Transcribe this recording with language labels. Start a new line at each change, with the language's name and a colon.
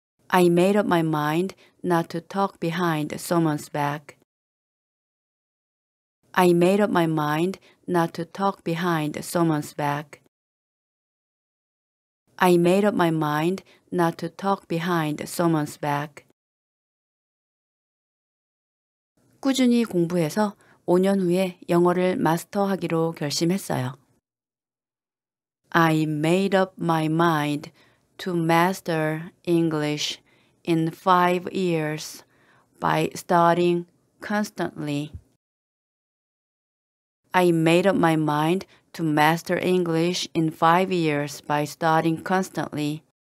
English: I made up my mind not to talk behind someone's back. I made up my mind not to talk behind someone's back. I made up my mind not to talk behind someone's back.
Korean: 꾸준히 공부해서 5년 후에 영어를 마스터하기로 결심했어요.
English: I made up my mind to master English in 5 years by studying constantly. I made up my mind to master English in 5 years by studying constantly.